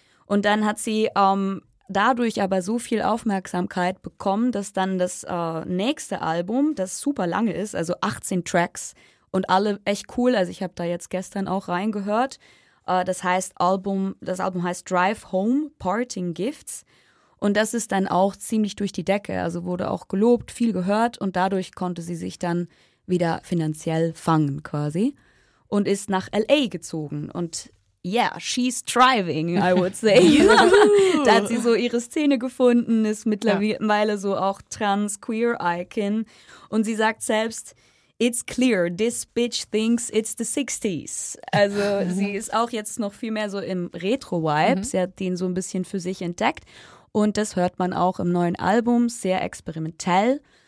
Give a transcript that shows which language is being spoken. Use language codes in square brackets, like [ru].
[de] Und dann hat sie dadurch aber so viel Aufmerksamkeit bekommen, dass dann das nächste Album, das super lange ist, also 18 Tracks und alle echt cool, also ich habe da jetzt gestern auch reingehört, das Album heißt Drive Home, Parting Gifts. Und das ist dann auch ziemlich durch die Decke, also wurde auch gelobt, viel gehört und dadurch konnte sie sich dann wieder finanziell fangen quasi und ist nach L.A. gezogen. Und [en] yeah, she's thriving, I would say. [de] Da hat sie so ihre Szene gefunden, ist mittlerweile so auch trans-queer-Icon. Und sie sagt selbst, [en] it's clear, this bitch thinks it's the 60s. [de] Also sie ist auch jetzt noch viel mehr so im Retro-Vibe. Mhm. Sie hat den so ein bisschen für sich entdeckt. Und das hört man auch im neuen Album, sehr experimentell.